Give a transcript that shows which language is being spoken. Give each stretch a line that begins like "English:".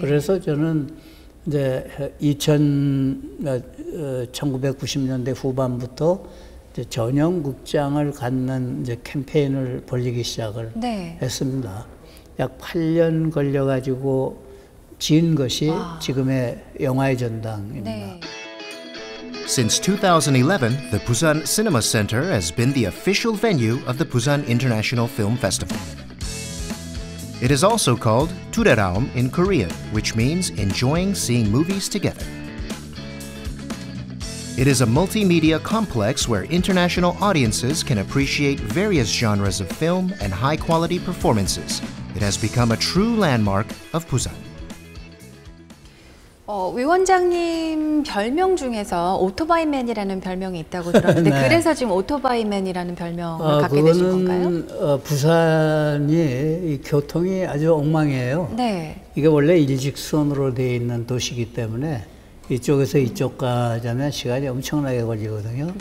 Korean: 그래서 저는 이제 1990년대 후반부터 이제 전용 극장을 갖는 이제 캠페인을 벌리기 시작을 네. 했습니다. 약 8년 걸려가지고 지은 것이 와. 지금의 영화의 전당입니다. 네.
English: Since 2011, the Busan Cinema Center has been the official venue of the Busan International Film Festival. It is also called 두레라움 in Korean, which means enjoying seeing movies together. It is a multimedia complex where international audiences can appreciate various genres of film and high-quality performances. It has become a true landmark of Busan.
Korean: 위원장님 별명 중에서 오토바이맨이라는 별명이 있다고 들었는데 네. 그래서 지금 오토바이맨이라는 별명을 갖게 그거는, 되신 건가요? 부산이 이 교통이 아주 엉망이에요. 네. 이게 원래 일직선으로 되어 있는 도시이기 때문에 이쪽에서 이쪽 가자면 시간이 엄청나게 걸리거든요.